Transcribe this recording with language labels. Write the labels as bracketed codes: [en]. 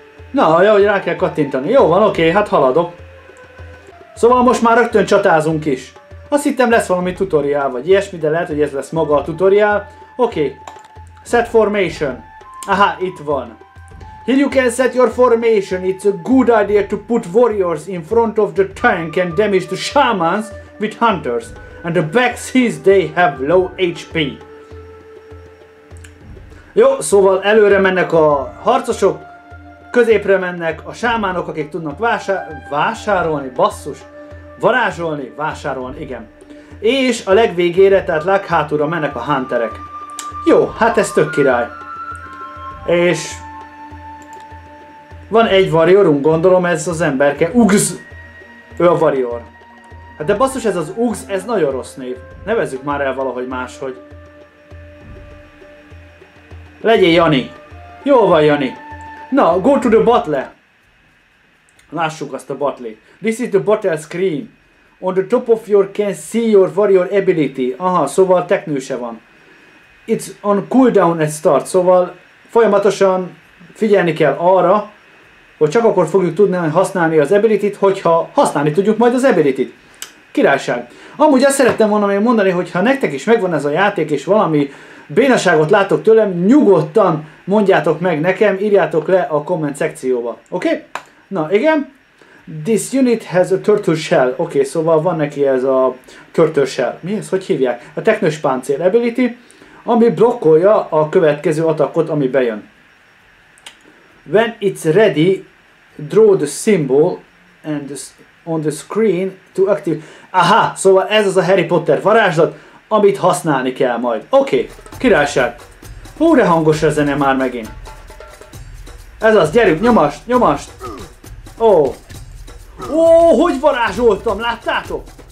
[hu] Na, jó, hogy rá kell kattintani. Jó van, oké, hát haladok. Szóval most már rögtön csatázunk is. Azt hittem lesz valami tutoriál vagy ilyesmi, de lehet, hogy ez lesz maga a tutoriál. Oké. [en] Set formation. [hu] Aha, itt van. [en] Here you can set your formation. It's a good idea to put warriors in front of the tank and damage the shamans with hunters. And the back sees they have low HP. [hu] Jó, szóval előre mennek a harcosok, középre mennek a sámánok, akik tudnak vásárolni, basszus, varázsolni, vásárolni, igen. És a legvégére, tehát leghátulra mennek a hunterek. Jó, hát ez tök király. És van egy warriorunk, gondolom ez az emberke, Ugz, ő a warrior. Hát de basszus, ez az Ugz, ez nagyon rossz név. Nevezzük már el valahogy máshogy. Legyél Jani. Jó van, Jani. Na, [en] go to the battle. [hu] Lássuk azt a battle. [en] This is the battle screen. On the top of your can see your warrior ability. [hu] Aha, szóval teknőse van. [en] It's on cooldown at start, [hu] szóval folyamatosan figyelni kell arra, hogy csak akkor fogjuk tudni használni az ability-t, hogyha használni tudjuk majd az ability-t. Királyság. Amúgy azt szerettem volna még mondani, hogy ha nektek is megvan ez a játék, és valami bénaságot látok tőlem, nyugodtan mondjátok meg nekem, írjátok le a komment szekcióba. Oké? Okay? Na igen. [en] This unit has a turtle shell. [hu] Oké, okay, szóval van neki ez a turtle shell. Mi ez? Hogy hívják? A technős páncél ability, ami blokkolja a következő atakot, ami bejön. [en] When it's ready, draw the symbol and on the screen to activate. [hu] Aha, szóval ez az a Harry Potter varázslat, amit használni kell majd. Oké, okay, királyság. Hú, de hangos a zene már megint. Ez az, gyerünk, nyomast, nyomast. Ó. Ó, hogy varázsoltam, láttátok?